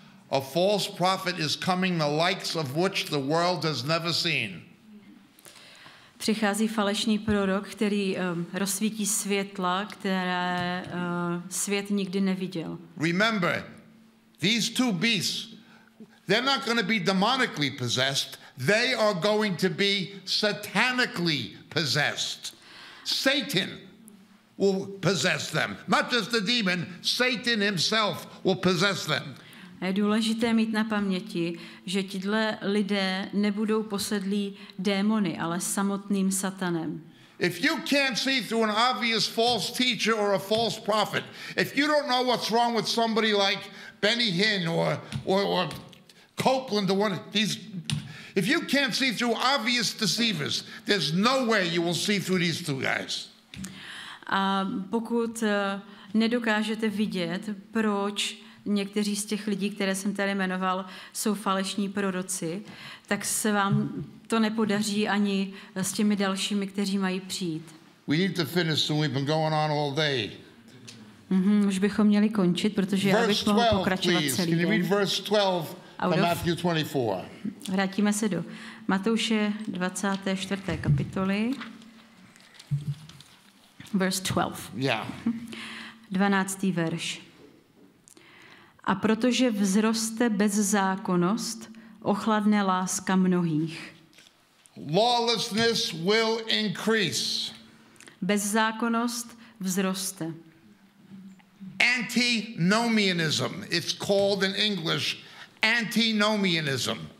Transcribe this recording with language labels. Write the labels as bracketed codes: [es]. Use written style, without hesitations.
[en] A false prophet is coming, the likes of which the world has never seen. [cs] Přichází falešný prorok, který rozsvítí světla, které svět nikdy neviděl. [en] Remember, these two beasts, they're not going to be demonically possessed. They are going to be satanically possessed. Satan will possess them. Not just the demon, Satan himself will possess them. [cs] Je důležité mít na paměti, že tihle lidé nebudou posedlí démony, ale samotným satanem. [en] If you can't see through an obvious false teacher or a false prophet, if you don't know what's wrong with somebody like Benny Hinn or Copeland, the one these, if you can't see through obvious deceivers, there's no way you will see through these two guys. [cs] A pokud nedokážete vidět, proč někteří z těch lidí, které jsem tady jmenoval, jsou falešní proroci, tak se vám to nepodaří ani s těmi dalšími, kteří mají přijít. [en] We need to finish, so we've been going on all day. [cs] Už bychom měli končit, protože [en] verse [cs] já bych mohl pokračovat [en] please. [cs] Celý den. [en] Can you read verse 12 from Matthew 24? [cs] Vrátíme se do Matouše 24. kapitoly. [en] Verse 12. Yeah. [cs] 12. verš. A protože vzroste bezzákonnost, ochladne láska mnohých. [en] Lawlessness will increase. [cs] Bezzákonnost vzroste. [en] Antinomianism. It's called in English antinomianism.